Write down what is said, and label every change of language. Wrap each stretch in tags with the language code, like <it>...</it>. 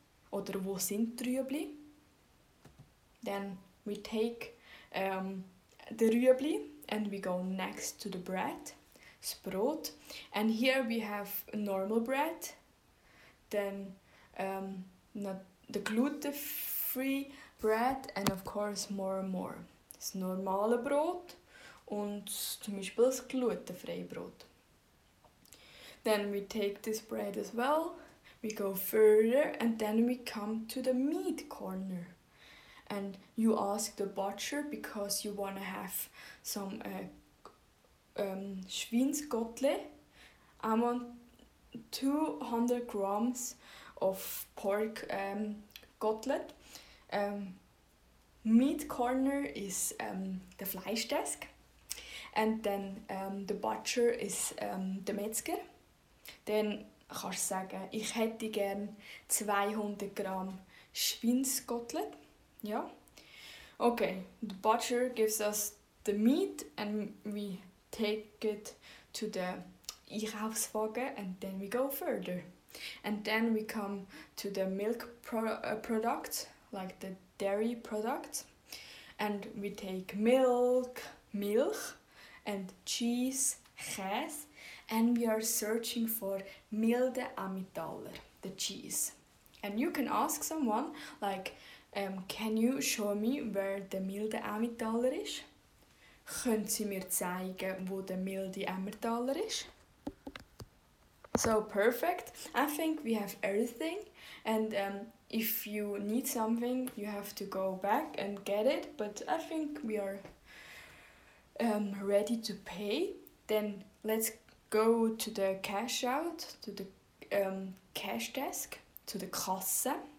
<de>Oder wo sind Trübli?</de> <en>Then we take the Trübli and we go next to the bread,</en> <de>das Brot.</de> <en>And here we have normal bread. Then the gluten-free bread and of course more and more.</en> <de>Das normale Brot und zum Beispiel das glutenfreie Brot.</de> <en>Then we take this bread as well. We go further and then we come to the meat corner. And you ask the butcher because you want to have some Schweinsgottle. I want 200 grams of pork gottlet. Meat corner is the Fleisch desk. And then the butcher is the Metzger.</en> <de>Dann kannst du sagen, ich hätte gern 200 Gramm Schweinsgottlet. Ja.</de> <en>Okay, the butcher gives us the meat and we take it to the Einkaufswagen and then we go further. And then we come to the milk product, like the dairy product. And we take milk, and cheese, Käse, and we are searching for Milde Amitaler, the cheese. And you can ask someone, like, can you show me where the Milde Amitaler is?</en> <de>Können Sie mir zeigen, wo der Milde Amitaler is?</de> <en>So perfect. I think we have everything. And if you need something, you have to go back and get it. But I think we are ready to pay. Then let's go to the cash out, to the cash desk, to the Kasse.</en>